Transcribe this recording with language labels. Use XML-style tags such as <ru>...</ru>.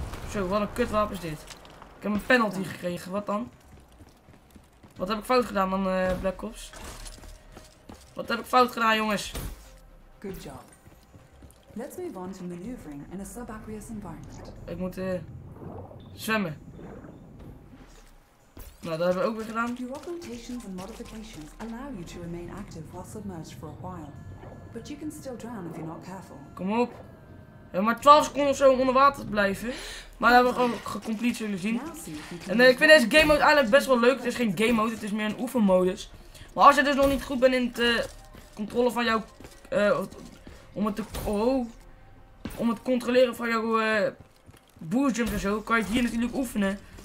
<nl>Zo, wat een kutwapen is dit. Ik heb een penalty gekregen, wat dan? Wat heb ik fout gedaan dan, Black Ops? Wat heb ik fout gedaan, jongens?</nl> <en>Good job. Let's move on to maneuvering in a subaqueous environment.</en> <nl>Ik moet zwemmen. Nou, dat hebben we ook weer gedaan.</nl> <en>Your augmentations and modifications allow you to remain active while submerged for a while. But you can still drown if you're not careful.</en> <nl>Kom op. We hebben maar 12 seconden zo onder water blijven. Maar dat hebben we gewoon gecomplete, zullen zien. En ik vind deze game mode eigenlijk best wel leuk. Het is geen game mode, het is meer een oefenmodus. Maar als je dus nog niet goed bent in het controle van jouw. Om het controleren van jouw boostjump en zo, kan je het hier natuurlijk oefenen.</nl>